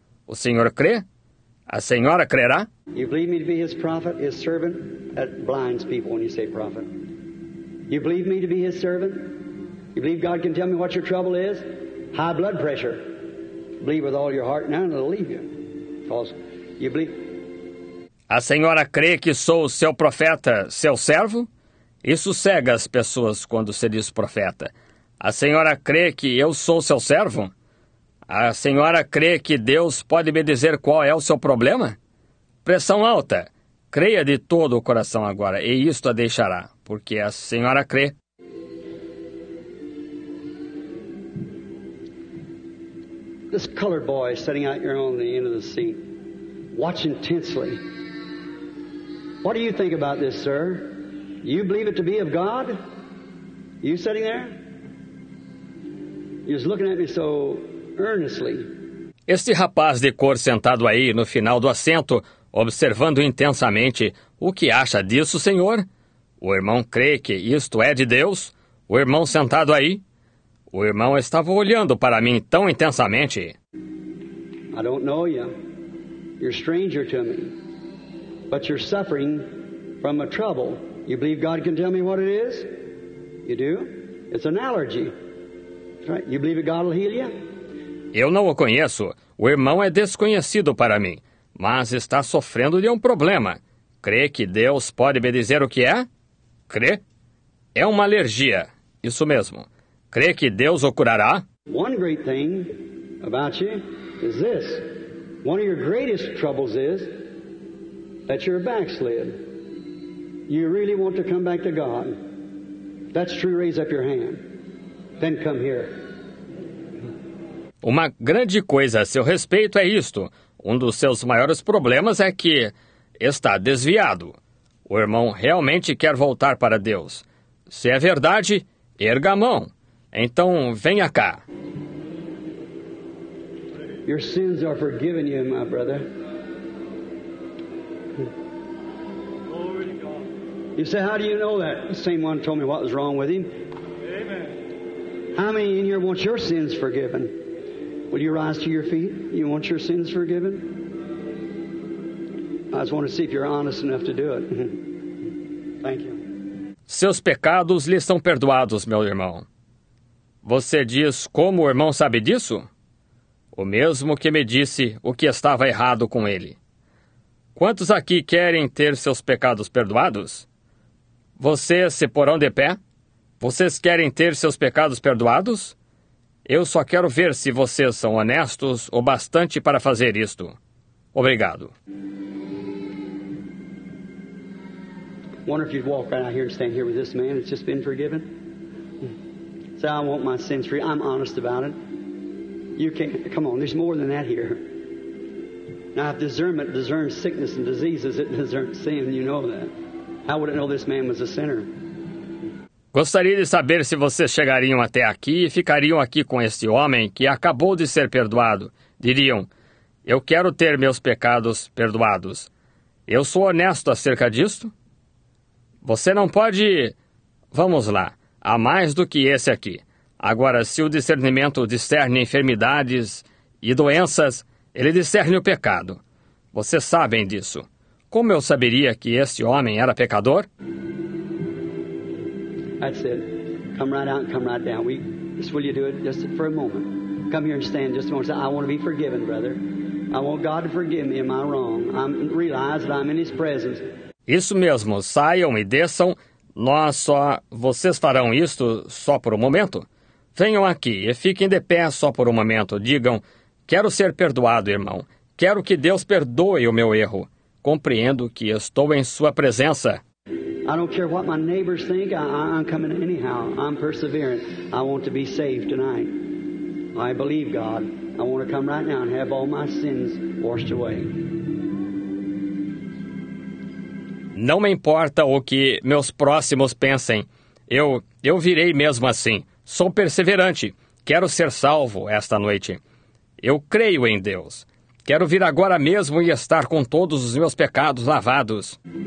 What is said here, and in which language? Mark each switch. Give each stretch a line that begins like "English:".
Portuguese: O senhor crê? A senhora crerá?
English: You believe me to be his prophet, his servant that blinds people when you say prophet. You believe me to be his servant? You believe God can tell me what your trouble is? High blood pressure. Believe with all your heart now and it'll leave you. Because you believe.
Portuguese: A senhora crê que sou o seu profeta, seu servo? Isso cega as pessoas quando se diz profeta. A senhora crê que eu sou seu servo? A senhora crê que Deus pode me dizer qual é o seu problema? Pressão alta. Creia de todo o coração agora e isto a deixará, porque a senhora crê.
English: This colored boy sitting out here on the end of the seat, watching intensely. What do you think about this, sir? You believe it to be of God? You sitting there? He was looking at me so earnestly.
Portuguese: Este rapaz de cor sentado aí no final do assento, observando intensamente, o que acha disso, senhor? O irmão crê que isto é de Deus? O irmão sentado aí? O irmão estava olhando para mim tão intensamente.
English: I don't know you. You're a stranger to me. But you're suffering from a trouble. You believe God can tell me what it is? You do? It's an allergy. Right? You believe that God will heal you?
Portuguese: Eu não o conheço. O irmão é desconhecido para mim. Mas está sofrendo de um problema. Crê que Deus pode me dizer o que é? Crê? É uma alergia. Isso mesmo. Crê que Deus o curará?
English: One great thing about you is this. One of your greatest troubles is that you're backslid. You really want to come back to God. If that's true, raise up your hand. Then come here.
Portuguese: Uma grande coisa a seu respeito é isto. Um dos seus maiores problemas é que está desviado. O irmão realmente quer voltar para Deus. Se é verdade, erga a mão. Então, venha cá.
English: Your sins are forgiven you, my brother. Glory to God. You say, how do you know that? The same one told me what was wrong with him. Amen. How many in here want your sins forgiven? Will you rise to your feet? You want your sins forgiven? I just want to see if you're honest enough to do it. Thank you.
Portuguese: Seus pecados lhe são perdoados, meu irmão. Você diz como o irmão sabe disso? O mesmo que me disse o que estava errado com ele. Quantos aqui querem ter seus pecados perdoados? Vocês se porão de pé? Vocês querem ter seus pecados perdoados? Eu só quero ver se vocês são honestos o bastante para fazer isto. Obrigado.
English: Wonder if you'd walk right out here and stand here with this man that's just been forgiven. Say, I want my sins free. I'm honest about it. You can't. Come on, there's more than that here. Now, if discernment discerns sickness and diseases, it discerns sin. You know that. How would it know this man was a sinner?
Portuguese: Gostaria de saber se vocês chegariam até aqui e ficariam aqui com este homem que acabou de ser perdoado. Diriam, eu quero ter meus pecados perdoados. Eu sou honesto acerca disto? Você não pode... Vamos lá, há mais do que esse aqui. Agora, se o discernimento discerne enfermidades e doenças, ele discerne o pecado. Vocês sabem disso. Como eu saberia que este homem era pecador?
English: That's it. Come right out and come right down. Just will you do it just for a moment? Come here and stand just a moment. I want to be forgiven, brother. I want God to forgive me. Am I wrong? Realize that I'm in His presence.
Portuguese: Isso mesmo. Saiam e desçam. Nós só... Vocês farão isto só por um momento? Venham aqui e fiquem de pé só por um momento. Digam, quero ser perdoado, irmão. Quero que Deus perdoe o meu erro. Compreendo que estou em sua presença.
English: I don't care what my neighbors think. I'm coming anyhow. I'm persevering. I want to be saved tonight. I believe God. I want to come right now and have all my sins washed away.
Portuguese: Não me importa o que meus próximos pensem. Eu virei mesmo assim. Sou perseverante. Quero ser salvo esta noite. Eu creio em Deus. Quero vir agora mesmo e estar com todos os meus pecados lavados.